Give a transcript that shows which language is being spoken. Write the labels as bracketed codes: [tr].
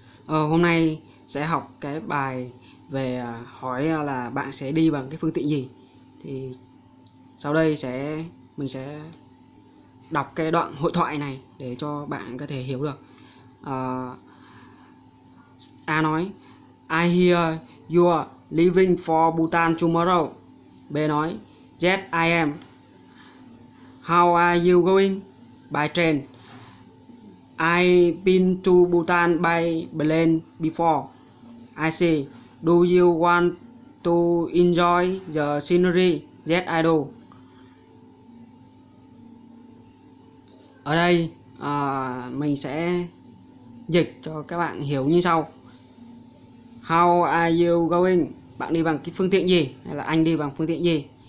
[vi] Hôm nay sẽ học cái bài về hỏi là bạn sẽ đi bằng cái phương tiện gì. Thì sau đây mình sẽ đọc cái đoạn hội thoại này để cho bạn có thể hiểu được. A nói: [en] "I hear you are leaving for Bhutan tomorrow." [vi] B nói: [en] "Yes, I am. How are you going?" "By train. I've been to Bhutan by plane before." "I see. Do you want to enjoy the scenery?" "Yes, I do." [vi] Ở đây mình sẽ dịch cho các bạn hiểu như sau. [en] How are you going? [vi] Bạn đi bằng cái phương tiện gì? Hay là anh đi bằng phương tiện gì?